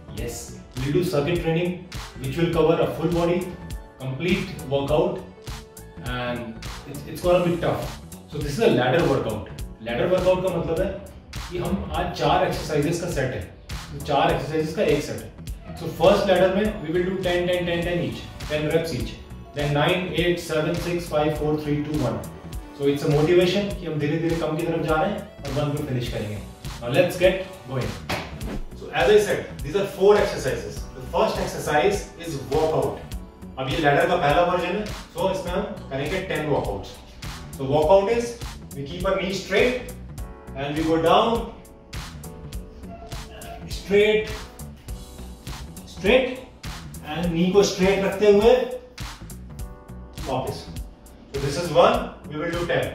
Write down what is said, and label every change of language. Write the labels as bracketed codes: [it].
[en] Yes, we'll do circuit training, which will cover a full body, complete workout, and it's going to be tough. So this is a ladder workout. [hi] Ladder workout का मतलब है कि हम आज चार exercises का set है. चार exercises का एक set है. [en] So first ladder में we will do 10, 10, 10, 10 each, 10 reps each. Then 9, 8, 7, 6, 5, 4, 3, 2, 1. So it's a motivation [hi] कि हम धीरे-धीरे कम की तरफ जा रहे हैं और 1 पे finish करेंगे. [en] Now let's get going. So as I said, these are four exercises. The first exercise is walkout. [hi] अब ये ladder का पहला version है, so इसमें हम करेंगे 10 walkouts. [en] So walkout is we keep our knee straight and we go down straight. Straight and knee को straight [hi] रखते हुए वापस. [en] So this is one. We will do 10.